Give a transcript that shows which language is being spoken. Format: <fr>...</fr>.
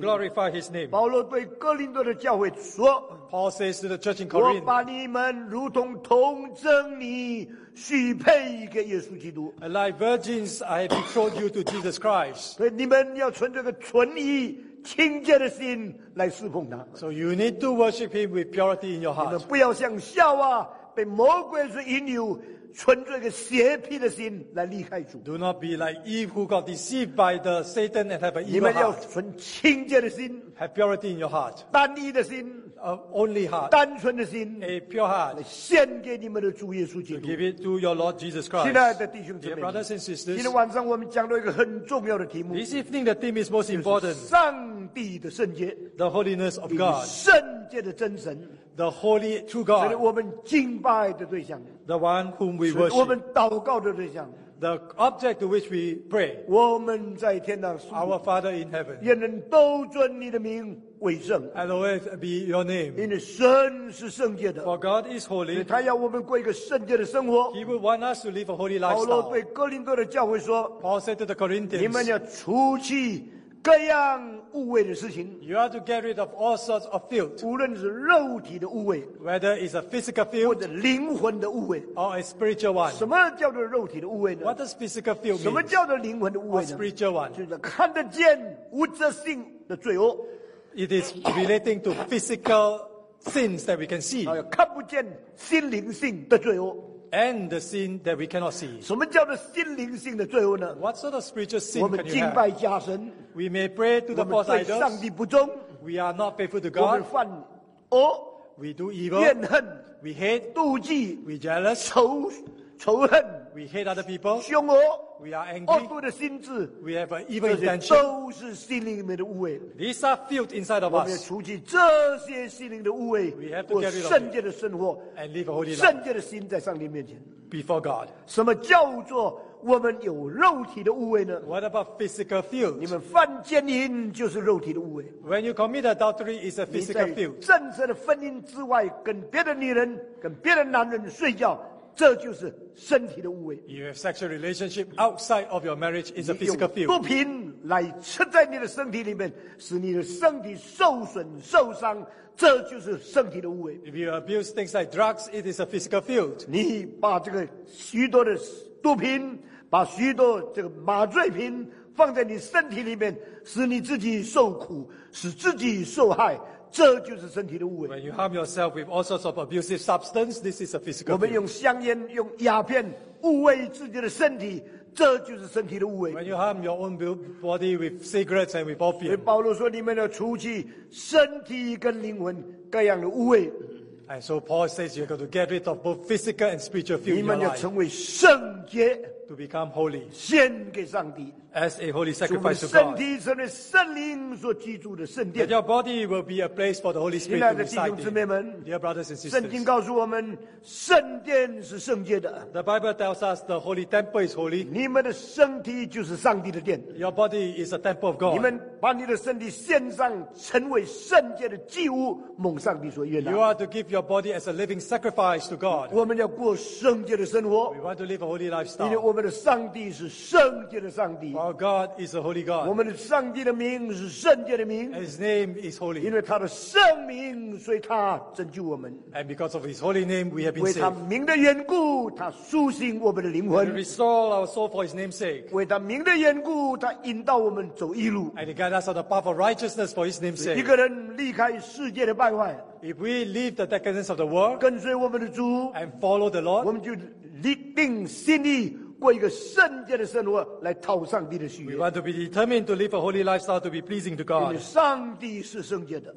<en>To glorify His name.</en> <zh>保罗对哥林多的教会说</zh> <en>，Paul says to the church in Corinth.</en> <zh>我把你们如同童贞女许配给耶稣基督。</zh> <en>Like virgins, I betrothed you to Jesus Christ.</en> <zh>所以你们要存这个纯义。清洁的心来侍奉他。</zh> <en>So you need to worship him with purity in your heart.</en> <zh>你们不要像夏娃被魔鬼所引诱，存着一个邪僻的心来离开主。</zh> <en>Do not be like Eve who got deceived by the Satan and have an evil heart.</en> <zh>你们要存清洁的心</zh> <en>，have purity in your heart.</en> <zh>单一的心</zh> <en>，only heart.</en> <zh>单纯的心</zh> <en>，a pure heart.</en> <zh>献给你们的主耶稣基督。</zh> <en>To give it to your Lord Jesus Christ.</en> <zh>亲爱的弟兄姐妹</zh> <en>，brothers and sisters.</en> <zh>今天晚上我们讲到一个很重要的题目。</zh> <en>This evening the theme is most important.</en> <zh>就是上帝的圣洁</zh> <en>，the holiness of God.</en> <zh>圣洁的真神。</zh> <en>The holy true God.</en> <zh>所以我们敬拜的对象。</zh> <en>The one whom we worship.</en> <zh>我们祷告的对象。</zh> <en>The object to which we pray.</en> <zh>我们在天堂。</zh> <en>Our Father in heaven.</en> <zh>愿人都尊你的名为圣。</zh> <en>And always be your name.</en> <zh>因为神是圣洁的。</zh> <en>For God is holy.</en> <zh>所以他要我们过一个圣洁的生活。</zh> <en>He will want us to live a holy lifestyle.</en> <zh>保罗对哥林多的教会说。</zh> <en>Paul said to the Corinthians.</en> <zh>你们要除去各样污秽的事情。</zh> <en>You are to get rid of all sorts of filth.</en> <zh>无论是肉体的污秽</zh> <en>，whether it's a physical filth，</en> <zh>或者灵魂的污秽</zh> <en>，or a spiritual one。</en> <zh>什么叫做肉体的污秽呢</zh> <en>？What does physical filth mean？</en> <zh>什么叫做灵魂的污秽呢</zh> <en>？A spiritual one。</en> <zh>就是看得见无遮性的罪恶。</zh> <en>It is relating to physical sins that we can see。</en> <zh>看不见心灵性的罪恶。</zh> <en>And the sin that we cannot see.</en> <zh>什么叫做心灵性的罪恶呢</zh> <en>？What sort of spiritual sin can you have？</en> <zh>我们敬拜假神。</zh> <en>We may pray to the false idols.</en> <zh>我们对上帝不忠。</zh> <en>We are not faithful to God.</en> <zh>我们犯恶。</zh> <en>We do evil.</en> <zh>怨恨。</zh> <en>We hate.</en> <zh>妒忌。</zh> <en>We jealous.</en> <zh>仇恨。</zh> <en>We hate other people.</en> <zh>凶恶。</zh> <en>We are angry.</en> <zh>恶毒的心智。</zh> <en>We have an evil intention.</en> <zh>都是心灵里面的污秽。</zh> <en>These are filled inside of us.</en> <zh>我们要除去这些心灵的污秽。</zh> <en>We have to get rid of it.</en> <zh>圣洁的生活。</zh> <en>And live a holy life.</en> <zh>圣洁的心在上帝面前。</zh> <en>Before God.</en> <zh>什么叫做我们有肉体的污秽呢</zh> <en>？What about physical filth?</en> <zh>你们犯奸淫就是肉体的污秽。</zh> <en>When you commit adultery, it's a physical filth.</en> <zh>你在正式的婚姻之外跟别的女人、跟别的男人睡觉。这就是身体的污秽。</zh> <en>You have sexual relationship outside of your marriage is a physical field.</en> <zh>你用毒品来吃在你的身体里面，使你的身体受损受伤，这就是身体的污秽。</zh> <en>If you abuse things like drugs, it is a physical field.</en> <zh>你把这个许多的毒品，把许多这个麻醉品放在你身体里面，使你自己受苦，使自己受害。这就是身体的污秽。</zh> <en>When you harm yourself with all sorts of abusive substance, this is a physical.</en> <zh>我们用香烟、用鸦片污秽自己的身体，这就是身体的污秽。</zh> <en>When you harm your own body with cigarettes and with opium.</en> <zh>所以保罗说，你们要除去身体跟灵魂各样的污秽。</zh> <en>And so Paul says you're going to get rid of both physical and spiritual filth.</en> <zh>你们要成为圣洁。</zh> <en>To become holy.</en> <zh>献给上帝。</zh> <en>As a holy sacrifice to God.</en> <zh>身体成为圣灵所居住的圣殿。</zh> <en>That your body will be a place for the Holy Spirit to reside in.</en> <zh>亲爱的弟兄姊妹们。</zh> <en>Dear brothers and sisters.</en> <zh>圣经告诉我们圣殿是圣洁的。</zh> <en>The Bible tells us the holy temple is holy.</en> <zh>你们的身体就是上帝的殿。</zh> <en>Your body is a temple of God.</en> <zh>你们把你的身体献上成为圣洁的祭物蒙上帝所悦纳。</zh> <en>You are to give your body as a living sacrifice to God.</en> <zh>我们要过圣洁的生活。</zh> <en>We want to live a holy lifestyle.</en> <zh>因为我们的上帝是圣洁的上帝。</zh> <en>Our God is a holy God.</en> <zh>我们的上帝的名是圣洁的名。</zh> <en>His name is holy.</en> <zh>因为他的圣名，所以他拯救我们。</zh> <en>And because of His holy name, we have been saved.</en> <zh>为他名的缘故，他苏醒我们的灵魂。</zh> <en>He restored our soul for His name's sake.</en> <zh>为他名的缘故，他引导我们走义路。</zh> <en>And He guided us on the path of righteousness for His name's sake.</en> <zh>一个人离开世界的败坏。</zh> <en>If we leave the decadence of the world,</en> <zh>跟随我们的主</zh> <en>，and follow the Lord,</en> <zh>我们就立定心意。过一个圣洁的生活来讨上帝的喜悦。</zh> <en>We want to be determined to live a holy lifestyle to be pleasing to God.</en> <zh>因为上帝是圣洁的。</zh>